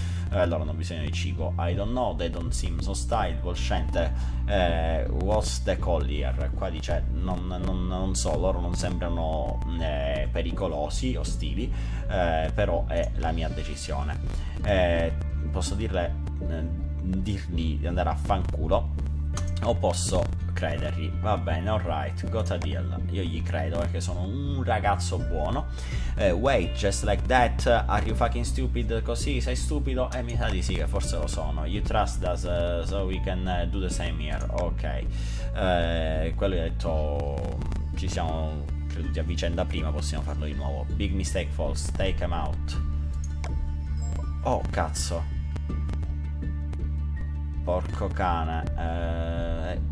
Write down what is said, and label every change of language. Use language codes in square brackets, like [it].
[it] allora hanno bisogno di cibo, [en] I don't know, they don't seem so style, volscente, what's the call here, [it] qua dice, non so, loro non sembrano pericolosi, ostili, però è la mia decisione. Posso dirgli di andare a fanculo o posso credergli. Va bene, [en] alright, got a deal. [it] Io gli credo perché sono un ragazzo buono. [en] Wait, just like that, are you fucking stupid? [it] Così sei stupido? E mi sa di sì, che forse lo sono. [en] You trust us, so we can do the same here. [it] Ok, quello gli ha detto, ci siamo creduti a vicenda prima, possiamo farlo di nuovo. [en] Big mistake, false, take him out. [it] Oh cazzo, porco cane.